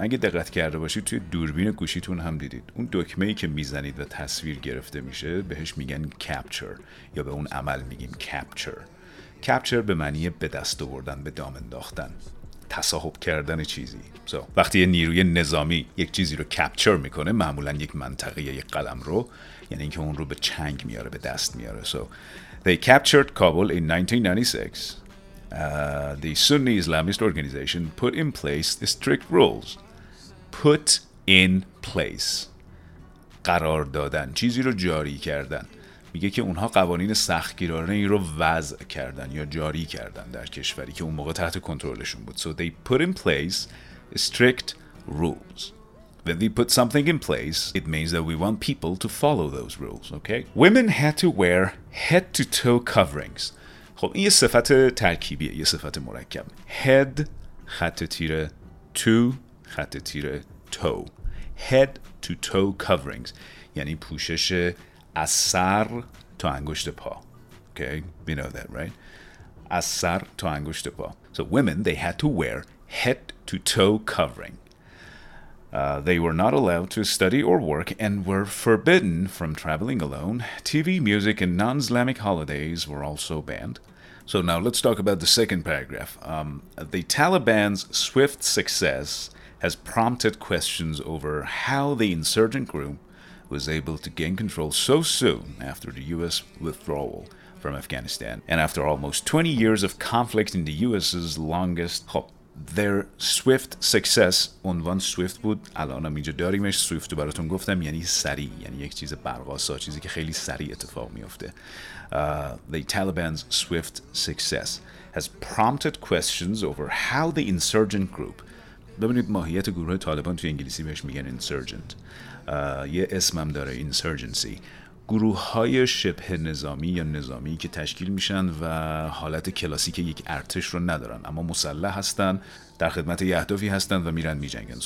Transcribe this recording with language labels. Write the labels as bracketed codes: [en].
[fa] اگه دقت کرده باشید توی دوربین گوشیتون هم دیدید. اون دکمه‌ای که میزنید و تصویر گرفته میشه بهش میگن capture، یا به اون عمل میگیم capture. Capture به معنی به دست آوردن، به دام انداختن، تصاحب کردن چیزی. So, وقتی یه نیروی نظامی یک چیزی رو capture میکنه، معمولا یک منطقه یا یک قلم رو، یعنی اینکه اون رو به چنگ میاره، به دست میاره. [en] So, they captured Kabul in 1996. The Sunni Islamist organization put in place the strict rules. Put in place. قرار دادن. [fa] چیزی رو جاری کردن. میگه که اونها قوانین سختگیرانه این رو وضع کردن یا جاری کردن در کشوری که اون موقع تحت کنترلشون بود. [en] So they put in place strict rules. When we put something in place, it means that we want people to follow those rules. Okay? Women had to wear head-to-toe coverings. [fa] خب این یه صفت ترکیبیه، یه صفت مرکب. head خط تیره، to خط تیره، toe. [en] head to toe coverings [fa] یعنی پوشش از سر تا انگشت پا. [en] Okay, we know that, right? [fa] از سر تا انگشت پا. [en] So women, they had to wear head to toe covering. They were not allowed to study or work and were forbidden from traveling alone. TV, music, and non-Islamic holidays were also banned. So now let's talk about the second paragraph. The Taliban's swift success has prompted questions over how the insurgent group was able to gain control so soon after the U.S. withdrawal from Afghanistan and after almost 20 years of conflict in the U.S.'s longest... Their swift success, [fa] عنوان swift بود، الان هم اینجا داریمش. swift رو براتون گفتم یعنی سریع، یعنی یک چیز برقاسا، چیزی که خیلی سریع اتفاق میفته. [en] The Taliban's swift success has prompted questions over how the insurgent group، [fa] ببینید ماهیت گروه طالبان توی انگلیسی بهش میگن insurgent، یه اسم هم داره insurgency، گروه های شبه نظامی یا نظامی که تشکیل میشن و حالت کلاسیک یک ارتش رو ندارن اما مسلح هستن، در خدمت یه اهدافی هستن و میرن میجنگن.